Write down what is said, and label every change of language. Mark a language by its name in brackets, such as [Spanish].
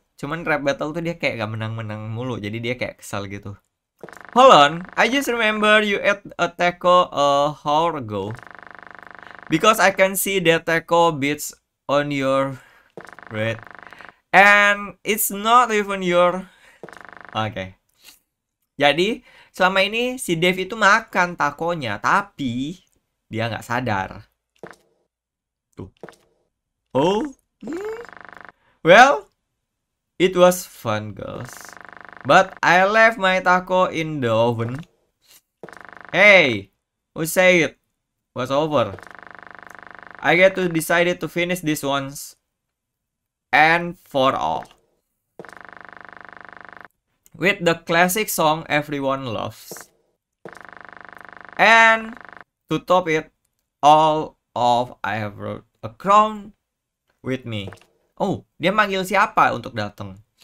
[Indonesian] Cuman rap battle tuh dia kayak gak menang-menang mulu. Jadi dia kayak kesal gitu. [English] Hold on, I just remember you ate a taco a hour ago. Because I can see the taco bits on your bread. And it's not even your... Okay. [Indonesian] Jadi, selama ini si Dave itu makan takonya, tapi dia nggak sadar. [English] Tuh. Oh. Well, it was fun, girls. But I left my taco in the oven. Hey, who said it was over? I get to decide to finish this once. And for all. With the classic song everyone loves. And to top it all off, I have brought a crown with me. [Indonesian] Oh, dia manggil siapa untuk datang?